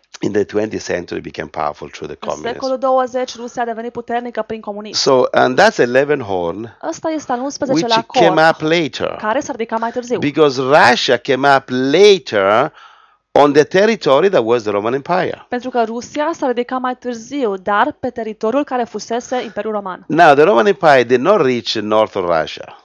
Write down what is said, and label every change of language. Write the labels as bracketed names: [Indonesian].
[English] In the 20th century, it became powerful through the communism. [Romanian] În secolul 20, Rusia a devenit puternică prin comunism. [English] So, and that's 11 horn. [Romanian] Ăsta este al 11-lea corn. [English] Which came up later. [Romanian] Care s-a ridicat mai târziu. [English] Because Russia came up later on the territory that was the Roman Empire. [Romanian] Pentru că Rusia s-a ridicat mai târziu, dar pe teritoriul care fusese Imperiul Roman. [English] Now, the Roman Empire did not reach north of Russia.